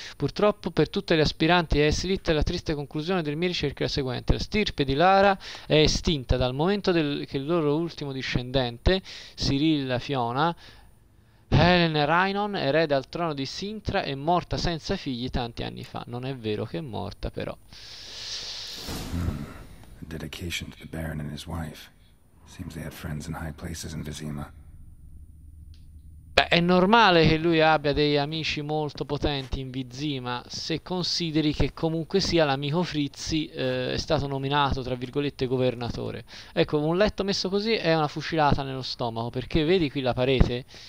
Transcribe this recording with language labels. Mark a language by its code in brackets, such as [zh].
[it] Purtroppo, per tutte le aspiranti a Eslit, la triste conclusione delle mie ricerche è la seguente. La stirpe di Lara è estinta dal momento che il loro ultimo discendente, Cyrilla Fiona, Helen Rhynon, erede al trono di Sintra, è morta senza figli tanti anni fa. Non è vero che è morta, però. [en] Dedication to the Baron and his wife. Seems they had friends in high places in Vizima. [it] È normale che lui abbia dei amici molto potenti in Vizima, se consideri che comunque sia l'amico Frizzi è stato nominato, tra virgolette, governatore. Ecco, un letto messo così è una fucilata nello stomaco, perché vedi qui la parete?